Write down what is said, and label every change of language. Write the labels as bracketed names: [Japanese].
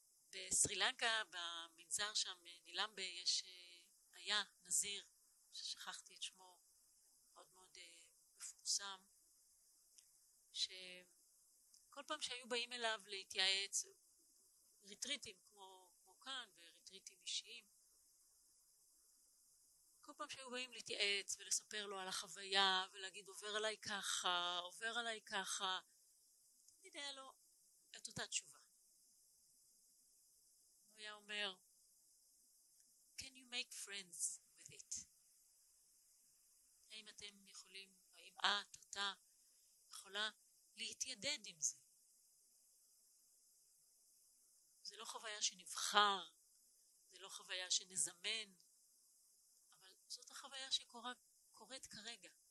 [Hebrew] בסרילנקה, במנזר שם, נילמבה, יש, היה נזיר, ששכחתי את שמו, מאוד מאוד מפורסם, שכל פעם שהיו באים אליו להתייעץ, ריטריטים כמו כאן וריטריטים אישיים, כל פעם שהיו באים להתייעץ ולספר לו על החוויה ולהגיד עובר עליי ככה, עובר עליי ככה, תמיד היה לו את אותה תשובה. הוא היה אומר, [English] can you make friends with it? [Hebrew] האם אתם יכולים, האם את, אתה, יכולה להתיידד עם זה. זה לא חוויה שנבחר, זה לא חוויה שנזמן, אבל זאת החוויה שקורית כרגע.